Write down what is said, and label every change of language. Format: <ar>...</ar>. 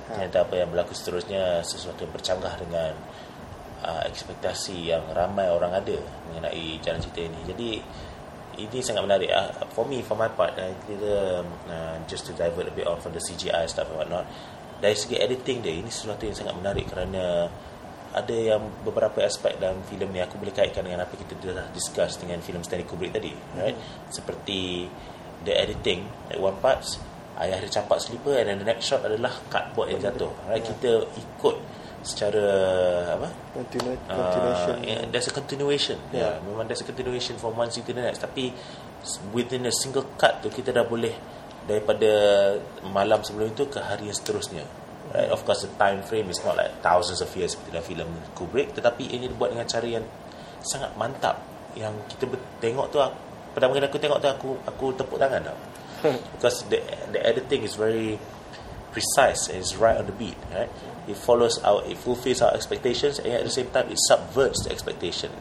<ms>Ternyata apa yang berlaku seterusnya sesuatu yang bercanggah dengan ekspektasi yang ramai orang ada mengenai jalan cerita ini. Jadi ini sangat menarik</ms> <en>for me, for my part. Just to divert a bit off from the CGI stuff and whatnot.</en> <ms>Dari segi editing dia, ini sesuatu yang sangat menarik kerana ada yang beberapa aspek dalam filem ni aku boleh kaitkan dengan apa kita dah discuss dengan filem Stanley Kubrick tadi, right? Seperti</ms> <en>the editing at one parts,</en> <ms>ayah dia campak</ms> <en>slipper, and then the next shot adalah cardboard yang jatuh. Right? Yeah.</en> <ms>Kita ikut secara apa?</ms> <en>Continuation. There's a continuation. Yeah. Memang there's a continuation from one city to the next.</en> <ms>Tapi</ms> <en>within a single cut</en> <ms>tu, kita dah boleh daripada malam sebelum itu ke hari yang seterusnya.</ms> <en>Right? Of course, the time frame is not like thousands of years</en> <ms>seperti dalam filem Kubrick. Tetapi ini dibuat dengan cara yang sangat mantap. Yang kita tengok tu, pertama kali aku tengok tu, aku tepuk tangan tau.</ms> <en>Because the editing is very precise and it's right on the beat, right? It follows our, it fulfills our expectations, and at the same time it subverts the expectation.</en>